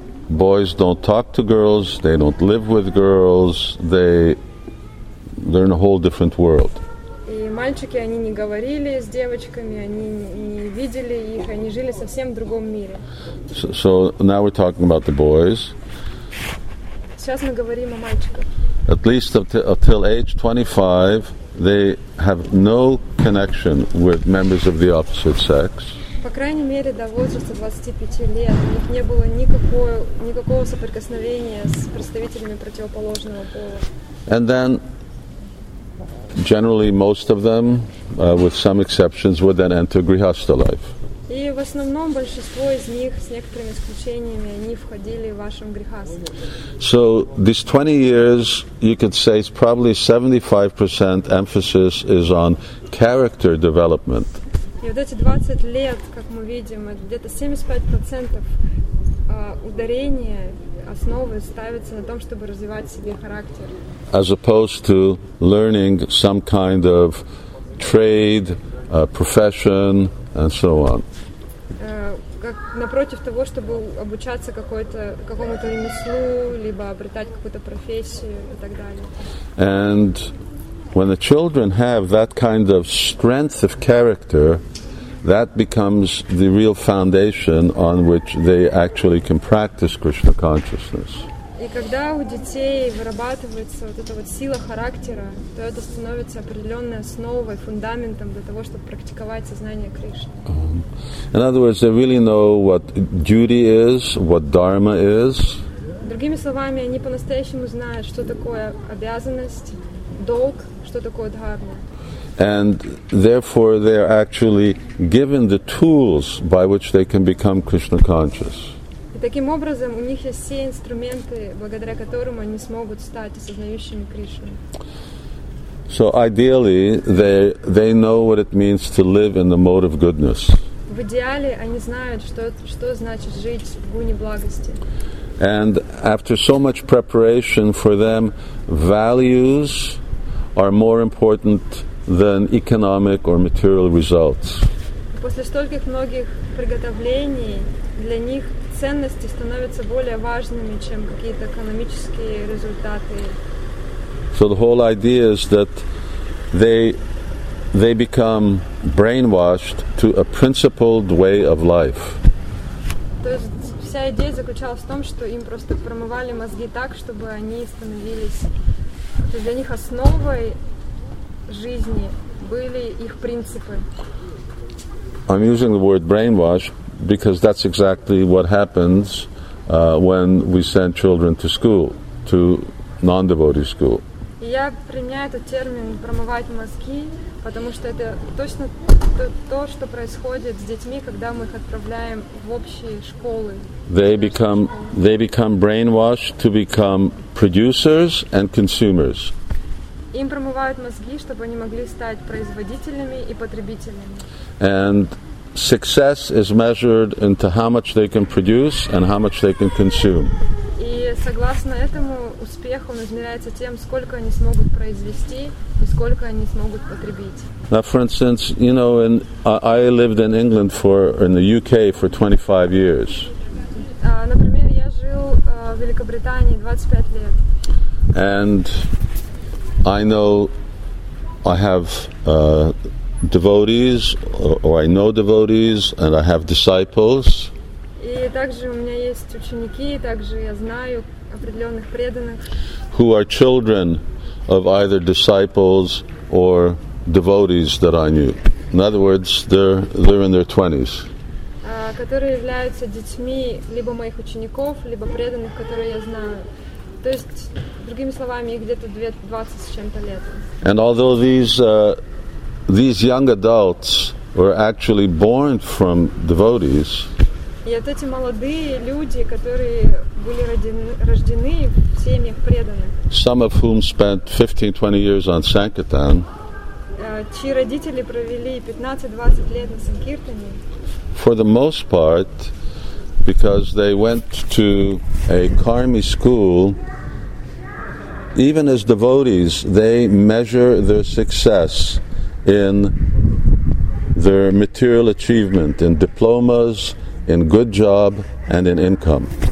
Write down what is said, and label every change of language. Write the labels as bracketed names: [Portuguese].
[English] boys don't talk to girls, they don't live with girls, they're in a whole different world. [Russian] И мальчики, они не говорили с девочками, они не видели их, они жили совсем в другом мире. [English] So now we're talking about the boys. [Russian] Сейчас мы говорим о мальчиках. [English] At least until age 25, they have no connection with members of the opposite sex. [Russian] По крайней мере, до возраста 25 лет у них не было никакого соприкосновения с представителями противоположного пола. [English] And then generally most of them, with some exceptions, would then enter grihastha life. [Russian] И в основном большинство из них, с некоторыми исключениями, они входили в вашем грехастве. [English] So these 20 years, you could say it's probably 75% emphasis is on character development. [Russian] И вот эти 20 лет, как мы видим, где-то 75% ударения, основы ставится на том, чтобы развивать себе характер. [English] As opposed to learning some kind of trade, profession, and so on. [Russian] Как напротив того, чтобы обучаться какому-то ремеслу, либо обретать какую-то профессию и так далее. [English] And when the children have that kind of strength of character, that becomes the real foundation on which they actually can practice Krishna consciousness. [Russian] И когда у детей вырабатывается вот эта вот сила характера, то это становится определенной основой, фундаментом для того, чтобы практиковать сознание Кришны. [English] In other words, they really know what duty is, what dharma is. [Russian] Другими словами, они по-настоящему знают, что такое обязанность, долг, что такое дхарма. [English] And therefore, they are actually given the tools by which they can become Krishna conscious. [Russian] И таким образом, у них есть все инструменты, благодаря которым они смогут стать осознающими Кришну. [English] So ideally, they know what it means to live in the mode of goodness. [Russian] В идеале, они знают, что значит жить в гуне благости. [English] And after so much preparation for them, values are more important than economic or material results. [Russian] После стольких многих приготовлений для них ценности становятся более важными, чем какие-то экономические результаты. [English] So the whole idea is that they become brainwashed to a principled way of life. [Russian] То есть вся идея заключалась в том, что им просто промывали мозги так, чтобы они становились для них основой жизни были их принципы. [English] I'm using the word brainwash because that's exactly what happens when we send children to school, to non-devotee school. [Russian] Я применяю этот термин промывать мозги, потому что это точно то, что происходит с детьми, когда мы их отправляем в общие школы. [English] They become brainwashed to become producers and consumers. [Russian] Им промывают мозги, чтобы они могли стать производителями и потребителями. [English] And success is measured into how much they can produce and how much they can consume. [Russian] И согласно этому, успех он измеряется тем, сколько они смогут произвести и сколько они смогут потребить. [English] Now, for instance, you know, I lived in England in the UK for 25 years. [Russian] Например, я жил в Великобритании 25 лет. [English] And I know I have devotees, or I know devotees, and I have disciples. [Russian] И также у меня есть ученики, также я знаю определенных преданных. [English] Who are children of either disciples or devotees that I knew. In other words, they're in their 20s. [Russian] Которые являются детьми либо моих учеников, либо преданных, которые я знаю. То есть, другими словами, их где-то 20 с чем-то лет. [English] And although these young adults were actually born from devotees, [Russian] и вот эти молодые люди, которые были рождены в семьях преданных, [English] some of whom spent 15-20 years on Sankirtan, [Russian] чьи родители провели 15-20 лет на Санкиртане, [English] for the most part, because they went to a karmi school, even as devotees, they measure their success in their material achievement, in diplomas, in good job, and in income.